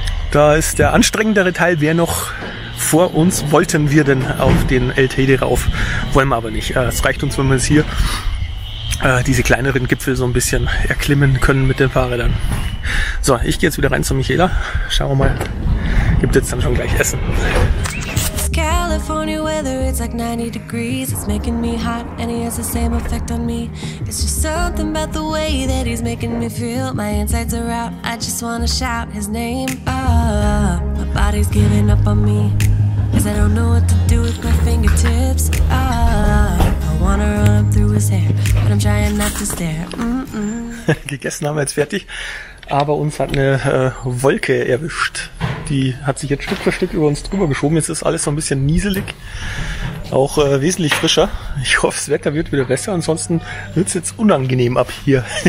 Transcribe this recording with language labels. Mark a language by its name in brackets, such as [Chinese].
[German] Da ist der anstrengendere Teil, wer noch vor uns, wollten wir denn auf den El Teide rauf, wollen wir aber nicht. Es reicht uns, wenn wir es hier, diese kleineren Gipfel so ein bisschen erklimmen können mit den Fahrrädern. So, ich gehe jetzt wieder rein zu Michaela, schauen wir mal, gibt jetzt dann schon gleich Essen. [English] California weather, it's like 90 degrees. It's making me hot and he has the same effect on me. It's just something about the way that he's making me feel. My insides are out, I just wanna shout his name. My body's giving up on me, cause I don't know what to do with my fingertips. I wanna run up through his hair, but I'm trying not to stare. [German] Gegessen haben wir jetzt fertig, aber uns hat eine Wolke erwischt. Die hat sich jetzt Stück für Stück über uns drüber geschoben. Jetzt ist alles so ein bisschen nieselig, auch wesentlich frischer. Ich hoffe, das Wetter wird wieder besser, ansonsten wird es jetzt unangenehm ab hier.